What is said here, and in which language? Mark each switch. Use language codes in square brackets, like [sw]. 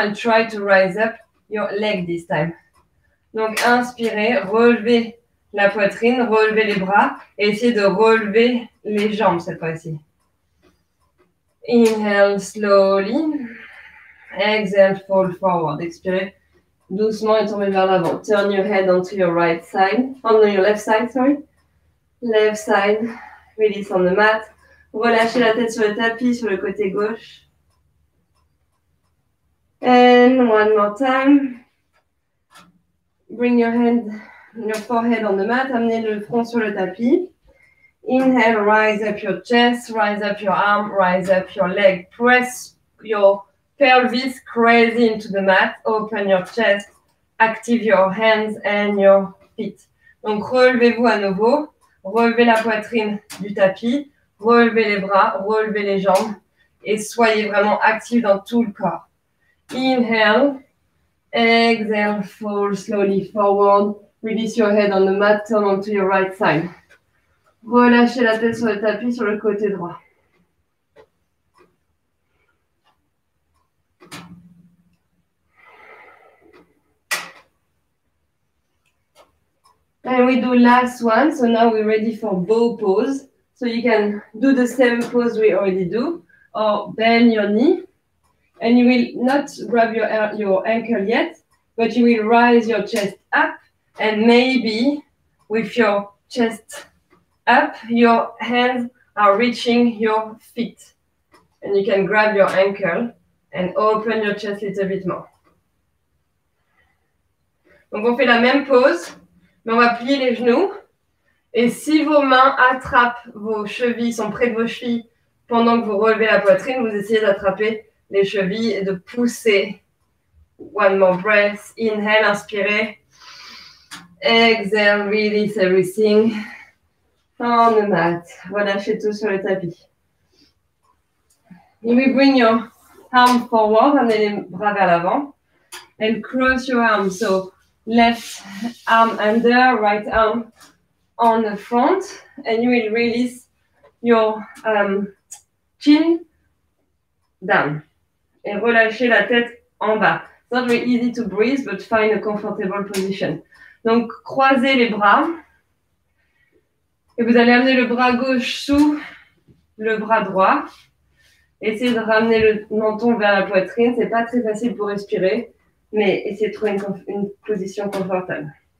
[en] And try to rise up your leg this time. [fr] Donc, inspirez. Relevez la poitrine. Relevez les bras. Et essayez de relever les jambes cette fois-ci. [en] Inhale slowly. Exhale, fold forward. [fr] Expirez doucement et tombez vers l'avant. [en] Turn your head onto your right side. Onto your left side, sorry. Left side. Release on the mat. [fr] Relâchez la tête sur le tapis, sur le côté gauche. [en] And one more time. Bring your hand, your forehead on the mat. [fr] Amenez le front sur le tapis. [en] Inhale, rise up your chest, rise up your arm, rise up your leg. Press your pelvis crazy into the mat. Open your chest, active your hands and your feet. [fr] Donc, relevez-vous à nouveau. Relevez la poitrine du tapis. Relevez les bras, relevez les jambes. Et soyez vraiment actifs dans tout le corps. [en] Inhale, exhale, fold slowly forward. Release your head on the mat, turn onto your right side. [fr] Relâchez la tête sur le tapis, sur le côté droit. [en] And we do last one. So now we're ready for bow pose. So you can do the same pose we already do. Or bend your knee. And you will not grab your ankle yet. But you will rise your chest up. And maybe with your chest up, your hands are reaching your feet. And you can grab your ankle and open your chest a little bit more. [fr] Donc, on fait la même pose, mais on va plier les genoux. Et si vos mains attrapent vos chevilles, sont près de vos chevilles, pendant que vous relevez la poitrine, vous essayez d'attraper les chevilles et de pousser. [en] One more breath. Inhale, [fr] inspirez. [en] Exhale, release everything. On the mat. [fr] Relâchez tout sur le tapis. [en] You will bring your arm forward. [fr] Amenez les bras vers l'avant. [en] And cross your arm. So, left arm under, right arm on the front. And you will release your chin down. [fr] Et relâchez la tête en bas. [en] It's not very easy to breathe, but find a comfortable position. [fr] Donc, croisez les bras. Et vous allez amener le bras gauche sous le bras droit. Essayez de ramener le menton vers la poitrine. Ce n'est pas très facile pour respirer, mais essayez de trouver une position confortable.